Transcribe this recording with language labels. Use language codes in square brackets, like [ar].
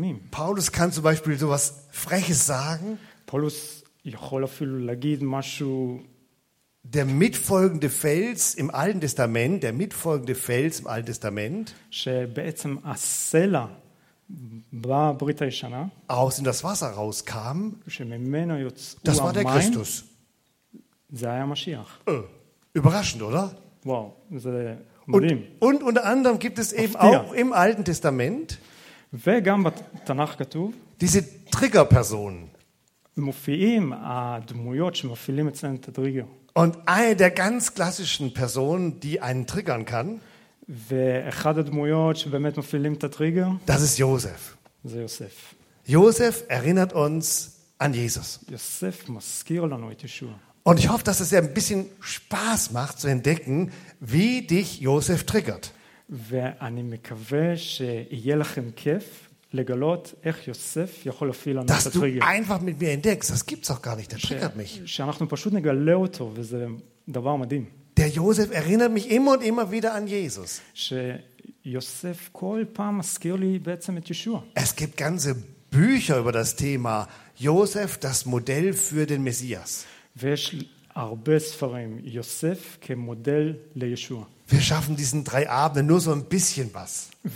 [de] Paulus kann zum Beispiel so etwas Freches sagen. [he] Paulus יכול אפילו להגיד משהו. [de] Der mitfolgende Fels im Alten Testament, der mitfolgende Fels im Alten Testament. [he] שבעצם הסלע בברית הישנה. [de] Aus in das Wasser rauskam. [he] שממנו יוצאו המים. [de] Das war der Christus. [he] זה היה משיח. [de] Überraschend, oder? [he] Wow, זה מדהים. [de] Und unter anderem gibt es eben auch im Alten Testament. [he] וגם בתנ"ך כתוב. [de] Diese Triggerpersonen. [he] מופיעים הדמויות שמפעילים אצלם את הטריגר. [de] Und eine der ganz klassischen Personen, die einen triggern kann. [he] ואחד הדמויות שבאמת מפעילים את הטריגר. [de] Das ist Josef. [he] זה יוסף. [de] Josef erinnert uns an Jesus. [he] יוסף מזכיר לנו את ישוע. [de] Und ich hoffe, dass es dir ein bisschen Spaß macht zu entdecken, wie dich Josef triggert. [he] ואני מקווה שיהיה לכם כיף לגלות איך יוסף יכול להפעיל לנו את הטריגר. [de] Dass du einfach mit mir entdeckst, das gibt's auch gar nicht, das triggert mich. [he] שאנחנו פשוט נגלה אותו, וזה דבר מדהים. [de] Der Josef erinnert mich immer und immer wieder an Jesus. [he] שיוסף כל פעם מזכיר לי בעצם את ישוע. [de] Es gibt ganze Bücher über das Thema Josef, das Modell für den Messias. [he] ויש הרבה ספרים, יוסף כמודל לישוע. [de] Wir schaffen diesen drei Abenden nur so ein bisschen was.